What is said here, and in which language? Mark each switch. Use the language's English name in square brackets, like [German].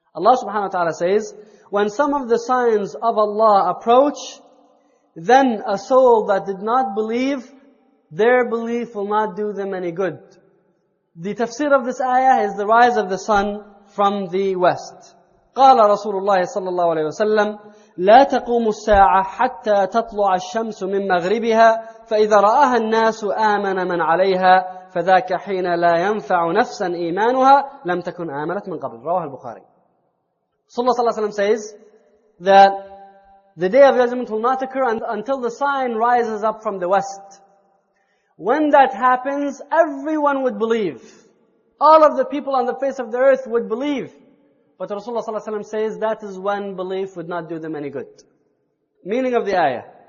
[English] Allah subhanahu wa ta'ala says, when some of the signs of Allah approach, then a soul that did not believe, their belief will not do them any good. The tafsir of this ayah is the rise of the sun from the west. [Arabic] قَالَ رَسُولُ اللَّهِ صَلَّى اللَّهُ عَلَيْهِ وَسَلَّمُ لا تقوم الساعة حتى تطلع الشمس من مغربها فإذا رآها الناس آمن من عليها فذاك حين لا ينفع نفسا إيمانها لم تكن آمنت من قبل. رواه البخاري. صلى الله عليه وسلم [English] says that the Day of Judgment will not occur until the sign rises up from the west. When that happens, everyone would believe. All of the people on the face of the earth would believe. But Rasulullah ﷺ says that is when belief would not do them any good. Meaning of the ayah.